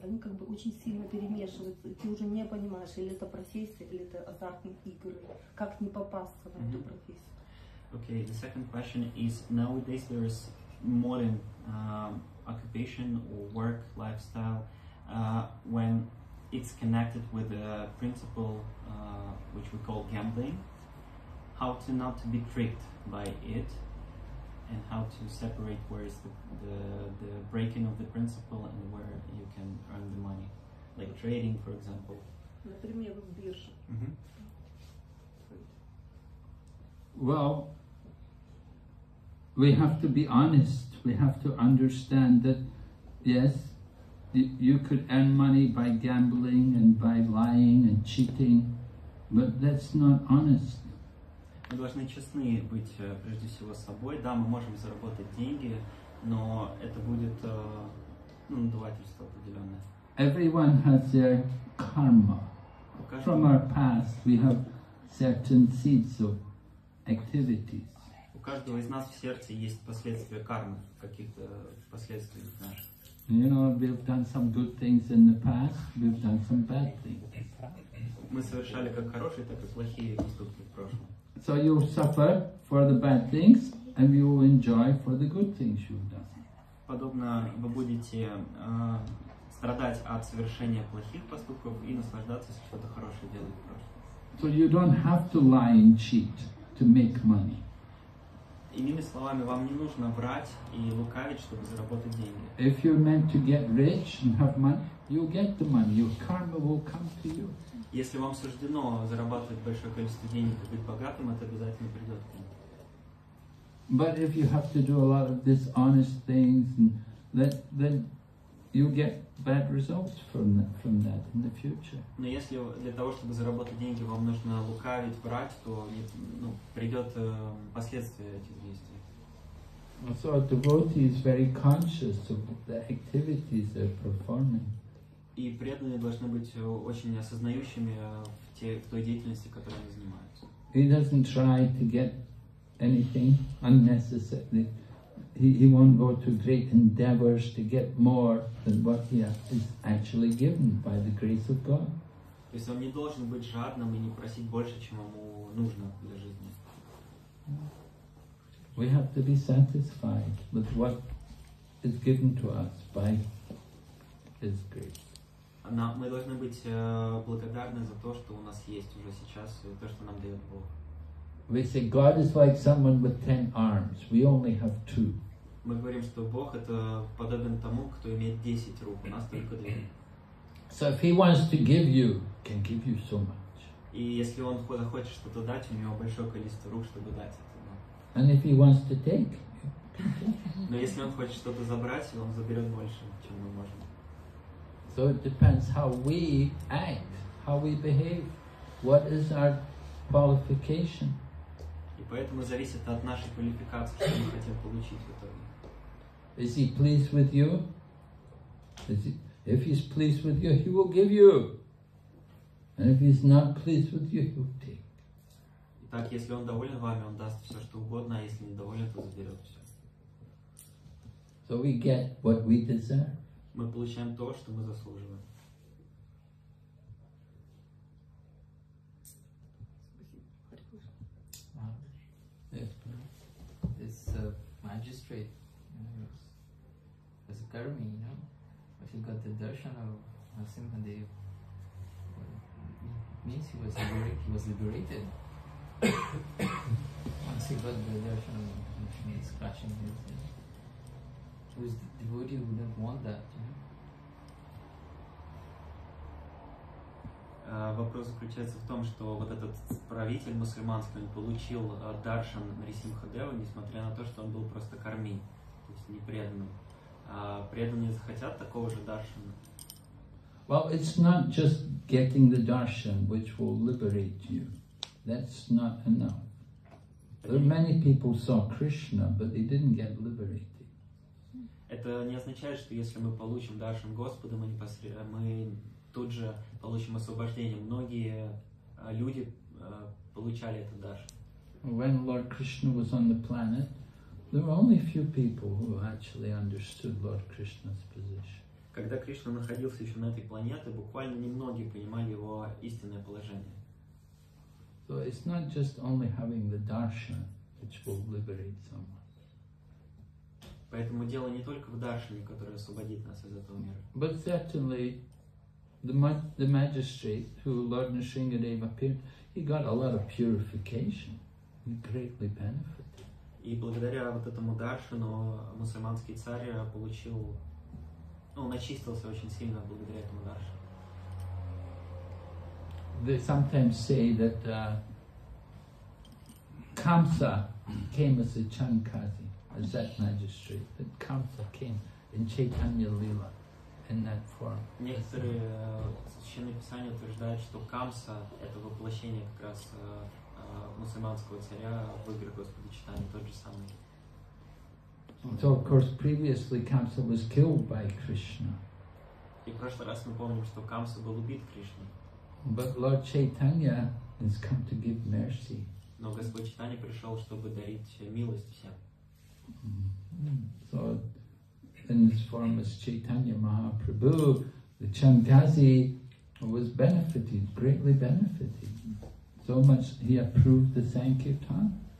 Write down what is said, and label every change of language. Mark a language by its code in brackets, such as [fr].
[ru] они как бы очень сильно перемешиваются. Ты уже не понимаешь, или это профессия, или это азартные игры. Как не попасться в эту профессию? [en] Okay, the second question is, nowadays there is modern occupation or work lifestyle. When it's connected with a principle which we call gambling, how to not to be tricked by it, and how to separate where is the breaking of the principle and where you can earn the money, like trading, for example. [ru] Например, в бирже. [en] Well, we have to be honest. We have to understand that, yes, you could earn money by gambling and by lying and cheating, but that's not honest. [ru] Мы должны честны быть прежде всего с собой. Да, мы можем заработать деньги, но это будет надувательство определенное. [en] Everyone has their karma. From our past, we have certain seeds of activities. [ru] У каждого из нас в сердце есть последствия кармы, каких-то последствий наших. [en] You know, we've done some good things in the past, we've done some bad things. [ru] Мы совершали как хорошие, так и плохие поступки в прошлом. [en] So you suffer for the bad things, and you will enjoy for the good things you've done. [ru] Подобно вы будете страдать от совершения плохих поступков и наслаждаться, если что-то хорошее делать в прошлом. [en] So you don't have to lie and cheat to make money. [ru] Иными словами, вам не нужно врать и лукавить, чтобы заработать деньги. [en] If you're meant to get rich and have money, you'll get the money. Your karma will come to you. [ru] Если вам суждено зарабатывать большое количество денег и быть богатым, это обязательно придет к вам. [en] But if you have to do a lot of dishonest things, then you get bad results from that in the future. [ru] Но если для того, чтобы заработать деньги, вам нужно лукавить, брать, то ну, придет последствия этих действий. [en] So a devotee is very conscious of the activities they're performing. [ru] И преданные должны быть очень осознающими в той деятельности, которой они занимаются. [en] He doesn't try to get anything unnecessarily. He won't go to great endeavors to get more than what he is actually given by the grace of God. [ru] То есть он не должен быть жадным и не просить больше, чем ему нужно для жизни. [en] We have to be satisfied with what is given to us by His grace. [ru] Мы должны быть благодарны за то, что у нас есть уже сейчас, и то, что нам дает Бог. [en] We say God is like someone with 10 arms. We only have 2. [ru] Мы говорим, что Бог это подобен тому, кто имеет 10 рук, у нас только 2. [en] So if He wants to give you, can give you so much. [ru] И если Он хочет что-то дать, у него большое количество рук, чтобы дать это. [en] And if He wants to take, [ru] но если Он хочет что-то забрать, Он заберет больше, чем мы можем. [en] So it depends how we act, how we behave, what is our qualification. [ru] И поэтому зависит от нашей квалификации, что мы хотим получить в итоге. [en] Is he pleased with you? If he's pleased with you, he will give you. And if he's not pleased with you, he will take. [ru] Итак, если он доволен вами, он даст все, что угодно, а если недоволен, то заберет все. [en] So we get what we deserve. [ru] Мы получаем то, что мы заслуживаем. [en] This magistrate, as a karmi, you know, if he got the darshan of Narasimha Dev, means he was liberated. He was liberated. Once he got the darshan of Narasimha Dev, scratching his head. Who's the devotee who wouldn't want that? [ru] Вопрос заключается в том, что вот этот правитель мусульманский, он получил даршан Нарисимхадева, несмотря на то, что он был просто карми, то есть непреданным. Преданные захотят такого же даршана? [en] Well, it's not just getting the darshan which will liberate you. That's not enough. There are many people saw Krishna, but they didn't get liberated. [ru] Это не означает, что если мы получим даршан Господа, мы тут же получим освобождение. Многие люди получали этот даршан. [en] When Lord Krishna was on the planet, there were only few people who actually understood Lord Krishna's position. [ru] Когда Кришна находился еще на этой планете, буквально немногие понимали его истинное положение. [en] So it's not just only having the darshan which will liberate someone. [ru] Поэтому дело не только в даршане, который освободит нас из этого мира. [en] But certainly the magistrate who Lord Nrsingadeva appeared, he got a lot of purification. He greatly benefited. [ru] И благодаря вот этому даршану мусульманский царь получил, он очистился очень сильно благодаря этому даршану. [en] They sometimes say that Kamsa came as a Chankasi, as that magistrate. That Kamsa came in Chaitanya Lila in that form. [ru] Некоторые священные писания утверждают, что Камса это воплощение как раз мусульманского царя в игре Господа Читания, тот же самый. [en] So of course previously Kamsa was killed by Krishna. [ru] И в прошлый раз мы помним, что Камса был убит Кришной. [en] But Lord Chaitanya has come to give mercy. [ru] Но Господь Читания пришел, чтобы дарить милость всем. [en] So in his form as Chaitanya Mahaprabhu, the Chankasi was benefited, greatly benefited. So much he approved the Sankirtan.